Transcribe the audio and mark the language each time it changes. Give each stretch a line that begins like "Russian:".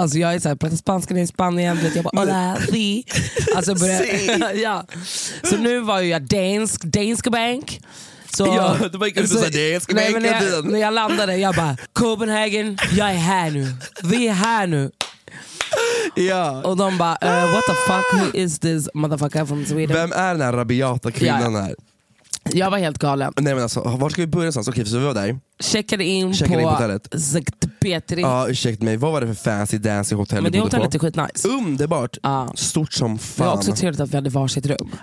Swedish: Alltså jag är så här, pratar spanska i Spanien. Jag bara,
Spanish: hola, si.
Swedish: Alltså börja. Ja. Så nu var ju jag dansk, danska bank. Så, ja, du bara gick ut och sa danska bank. Nej men när jag landade, jag bara, Copenhagen, jag är här nu. Vi är här nu. Ja. Och de bara,
English: what the fuck, who is this motherfucker from Sweden?
Swedish: Vem är den här rabiata kvinnan här? Jag var helt galen. Nej men alltså, var ska vi börja sånt? Okej, så vi var där. Checkade in på hotellet. Sankt Petri. Ja, ursäkta mig. Vad var det för fancy dancy hotell? Men det hotellet är skitnice. Underbart. Stort som fan. Det var också trevligt att vi hade varsitt rum.